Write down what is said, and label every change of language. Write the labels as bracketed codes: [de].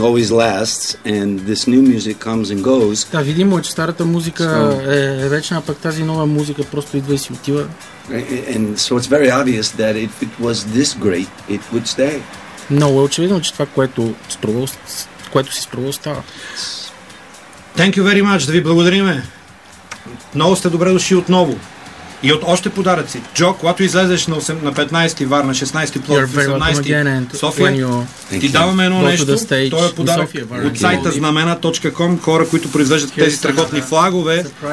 [en] always lasts, and this new music comes and goes. [bg] Да, видимо, че старата музика е вечна, пък тази нова музика просто идва и си отива. [en] And so it's very obvious that if it was this great, it would stay. [bg] Но е очевидно, че това, което си струва, остава. [en] Thank you very much. [bg] Да ви благодариме. Много сте добре дошли отново. И от още подаръци. Джо, когато излезеш на 15-ти Варна, 16-ти Пловдив, 18-ти София, ти даваме едно нещо. Той е подарък от сайта знамена.com, хора, които произвеждат тези страхотни флагове.